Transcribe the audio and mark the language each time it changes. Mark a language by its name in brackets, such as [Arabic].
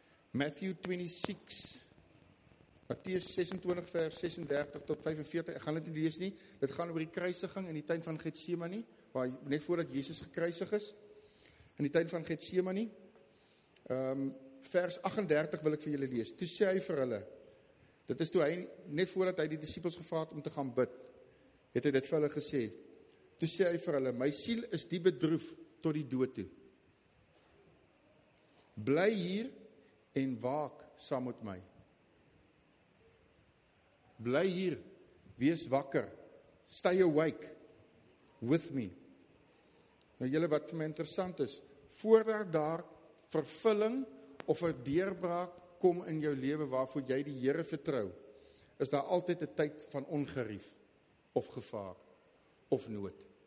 [Afrikaans] Matthew 26, Matteus 26 vers 36 tot 45, ek gaan dit nie lees nie, dit gaan oor die kruisiging in die tuin van Getsemane, waar net voordat Jesus gekruisig is, in die tuin van Getsemane, vers 38 wil ek vir julle lees, toe sê hy vir hulle, dit is toe hy, net voordat hy die disippels gevra het om te gaan bid, het hy dit vir hulle gesê, toe sê hy vir hulle, my siel is diep bedroef tot die dood toe. Bly hier en waak saam met my. Bly hier, wees wakker, [English] stay awake with me. [Afrikaans] Nou julle wat vir my interessant is, voordat daar vervulling of 'n deurbraak kom in jou lewe waarvoor jy die Here vertrou, is daar altyd 'n tyd van ongerief of gevaar of nood.